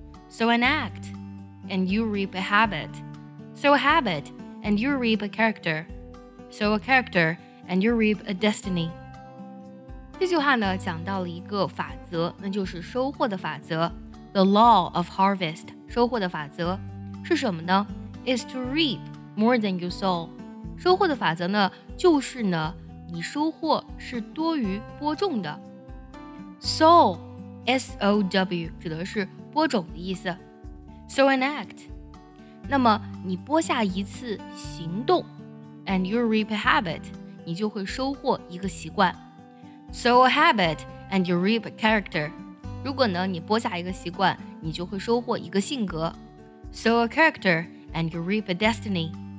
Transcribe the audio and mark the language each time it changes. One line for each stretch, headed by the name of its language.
English: Sow an act, and you reap a habit. Sow a habit, and you reap a character. Sow a character, and you reap a destiny.
Chinese: 这句话呢，讲到了一个法则，那就是收获的法则。
English: The law of harvest,
Chinese: 收获的法则，是什么呢？
English: Is to reap more than you sow.
Chinese: 收获的法则呢，就是呢，你收获是多于播种的。 Sow, S-O-W, 指的是播种的意思。
English: Sow an act.
Chinese: 那么你播下一次行动
English: and you reap a habit,
Chinese: 你就会收获一个习惯。
English: Sow a habit and you reap a character.
Chinese: 如果呢你播下一个习惯你就会收获一个性格。
English: Sow a character and you reap a destiny.